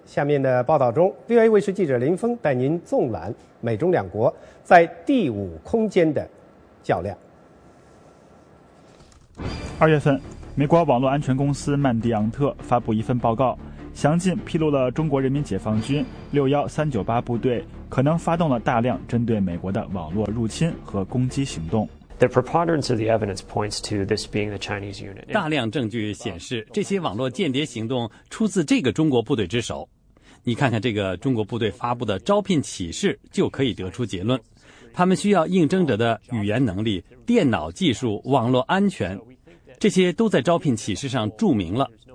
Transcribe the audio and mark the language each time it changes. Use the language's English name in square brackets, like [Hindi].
[Chinese] 下面的报道中， VOA 卫视记者林峰带您纵览美中两国在第五空间的较量。二月份，美国网络安全公司曼迪昂特发布一份报告，详尽披露了中国人民解放军61398部队可能发动了大量针对美国的网络入侵和攻击行动。 [English] The preponderance of the evidence points to this being the Chinese unit. [Chinese] 大量证据显示，这些网络间谍行动出自这个中国部队之手。你看看这个中国部队发布的招聘启事，就可以得出结论。他们需要应征者的语言能力、电脑技术、网络安全，这些都在招聘启事上注明了。